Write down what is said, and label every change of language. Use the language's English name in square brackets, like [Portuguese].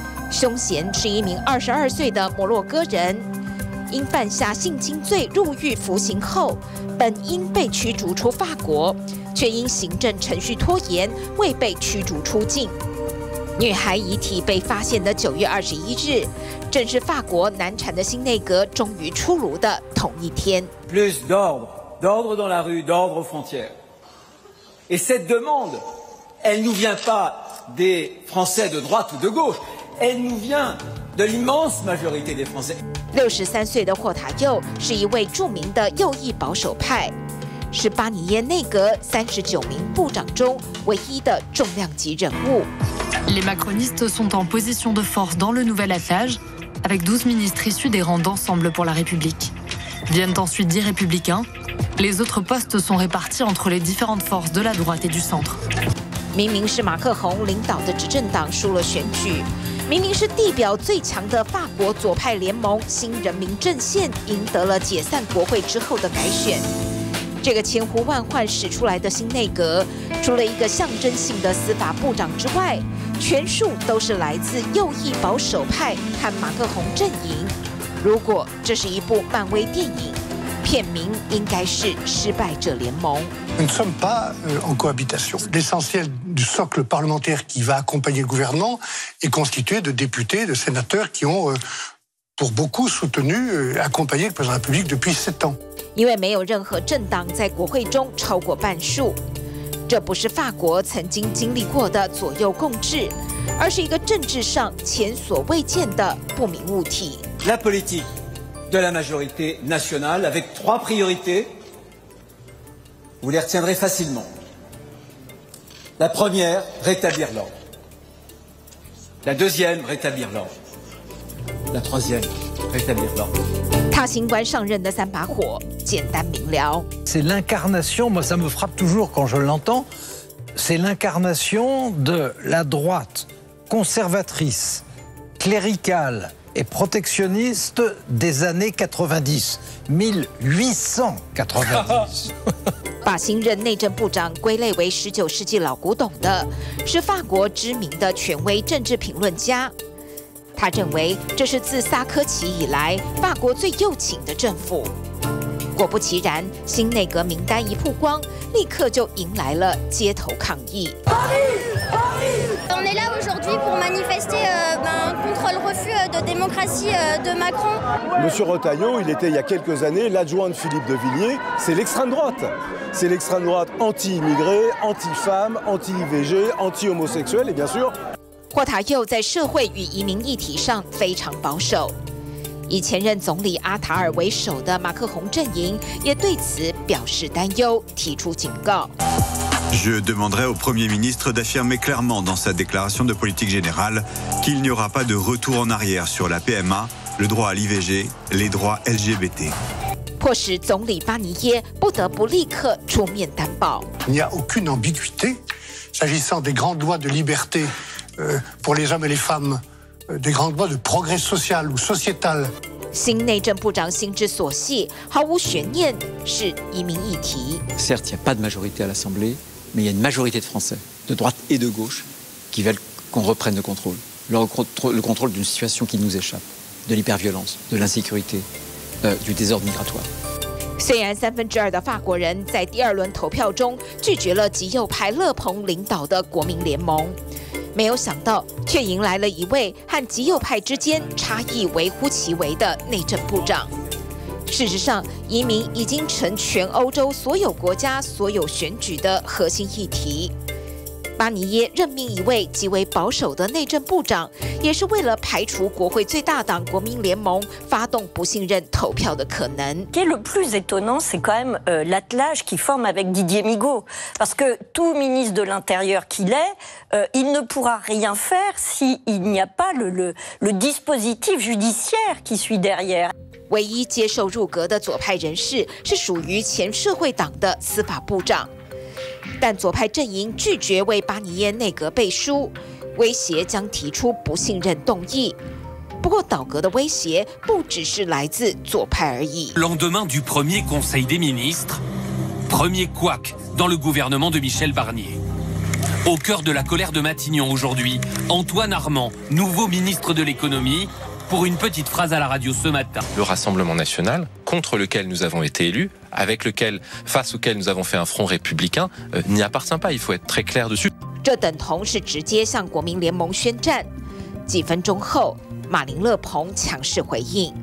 [Chinese] 凶嫌是一名22岁的摩洛哥人，因犯下性侵罪入狱服刑后，本应被驱逐出法国，却因行政程序拖延未被驱逐出境。女孩遗体被发现的9月21日，正是法国难产的新内阁终于出炉的同一天。 [French] Plus d'ordre, d'ordre dans la rue, d'ordre aux frontières. Et cette demande, elle nous vient pas des Français de droite ou de gauche, elle nous vient de l'immense majorité des Français. [Chinese] 63岁的霍塔佑是一位著名的右翼保守派，是巴尼耶内阁39名部长中唯一的重量级人物。 [French] Les macronistes sont en position de force dans le nouvel attelage, avec 12 ministres issus des rangs d'ensemble pour la République. Viennent ensuite 10 républicains. Les autres postes sont répartis entre les différentes forces de la droite et du centre. [Chinese] 明明是马克宏领导的执政党输了选举，明明是地表最强的法国左派联盟新人民阵线赢得了解散国会之后的改选。这个千呼万唤使出来的新内阁，除了一个象征性的司法部长之外，全数都是来自右翼保守派和马克宏阵营。如果这是一部漫威电影，片名应该是失败者联盟。 [French] Nous ne sommes pas en cohabitation. L'essentiel du socle parlementaire qui va accompagner le gouvernement est constitué de députés, de sénateurs qui ont, pour beaucoup, soutenu, accompagné le président de la République depuis 7 ans. [Chinese] 因为没有任何政党在国会中超过半数，这不是法国曾经经历过的左右共治，而是一个政治上前所未见的不明物体。 [French] La politique de la majorité nationale avec 3 priorités. Vous les retiendrez facilement. La première, rétablir l'ordre. La deuxième, rétablir l'ordre. La troisième, rétablir l'ordre. [Chinese] 他新官上任的三把火，简单明了。 [French] C'est l'incarnation, moi ça me frappe toujours quand je l'entends, c'est l'incarnation de la droite conservatrice, cléricale et protectionniste des années 90. 1890. [Chinese] 把新任内政部长归类为19世纪老古董的，是法国知名的权威政治评论家。他认为这是自萨科齐以来法国最右倾的政府。果不其然，新内阁名单一曝光，立刻就迎来了街头抗议。 [French] On est là aujourd'hui pour manifester contre le refus de démocratie de Macron. Monsieur Retailleau, il était il y a quelques années l'adjoint de Philippe de Villiers. C'est l'extrême droite. C'est l'extrême droite anti-immigrée, anti-femme, anti-IVG, anti-homosexuelle et bien sûr. [Chinese] 霍塔右在社会与移民议题上非常保守。以前任总理阿塔尔为首的马克宏阵营也对此表示担忧，提出警告。 [French] Je demanderai au Premier ministre d'affirmer clairement dans sa déclaration de politique générale qu'il n'y aura pas de retour en arrière sur la PMA, le droit à l'IVG, les droits LGBT. [Chinese] 迫使总理巴尼耶不得不立刻出面担保。 [French] Il n'y a aucune ambiguïté s'agissant des grandes lois de liberté pour les hommes et les femmes, des grandes lois de progrès social ou sociétal. [Chinese] 新内政部长心之所系，毫无悬念是移民议题。 [French] Certes, il n'y a pas de majorité à l'Assemblée. Mais il y a une majorité de Français, de droite et de gauche, qui veulent qu'on reprenne le contrôle. Le contrôle d'une situation qui nous échappe, de l'hyperviolence, de l'insécurité, du désordre migratoire. [Chinese] 虽然三分之二的法国人在第二轮投票中拒绝了极右派勒彭领导的国民联盟，没有想到却迎来了一位和极右派之间差异微乎其微的内政部长。事实上，移民已经成全欧洲所有国家所有选举的核心议题。巴尼耶任命一位极为保守的内政部长，也是为了排除国会最大党国民联盟发动不信任投票的可能。 [French] Et le plus étonnant, c'est quand même l'attelage qu'il forme avec Didier Migaud, parce que tout ministre de l'Intérieur qu'il est, il ne pourra rien faire si il n'y a pas le dispositif judiciaire qui suit derrière. [Chinese] 唯一接受入阁的左派人士是属于前社会党的司法部长，但左派阵营拒绝为巴尼耶内阁背书，威胁将提出不信任动议。不过，倒阁的威胁不只是来自左派而已。 [French] Lendemain du premier conseil des ministres, premier couac dans le gouvernement de Michel Barnier. Au cœur de la colère de Matignon aujourd'hui, Antoine Armand, nouveau ministre de l'économie. Pour une petite phrase à la radio ce matin. Le Rassemblement national, contre lequel nous avons été élus, avec lequel, face auquel nous avons fait un front républicain, n'y appartient pas. Il faut être très clair dessus. [Chinese] 这等同是直接向国民联盟宣战。几分钟后，马林乐鹏强势回应：